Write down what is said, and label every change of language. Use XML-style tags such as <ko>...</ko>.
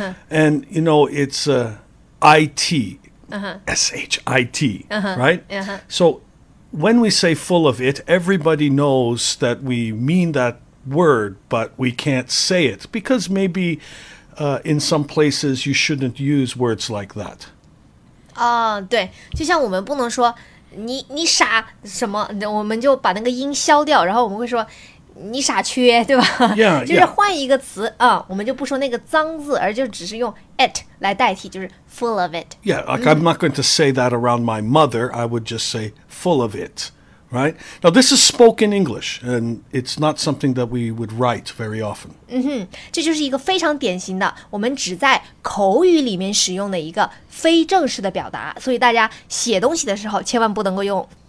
<en>And, you know, it's I-T, S-H-I-T, right? So when we say full of it, everybody knows that we mean thatword, but we can't say it because maybe in some places you shouldn't use words like that.</en> <zh>对，就像我们不能说你傻什么，我们就把那个音消掉，然后我们会说你傻缺，对吧？</zh> <en>Yeah,</en> <zh>就是换一个词啊，我们就不说那个脏字，而就只是用 it 来代替，就是</zh> <en>full of it. Yeah, like I'm not going to say that around my mother. I would just say full of it. Right? Now, this is spoken English, and it's not something that we would write very often.</en> <zh>这就是一个非常典型的，我们只在口语里面使用的一个非正式的表达，所以大家写东西的时候千万不能够用。</zh>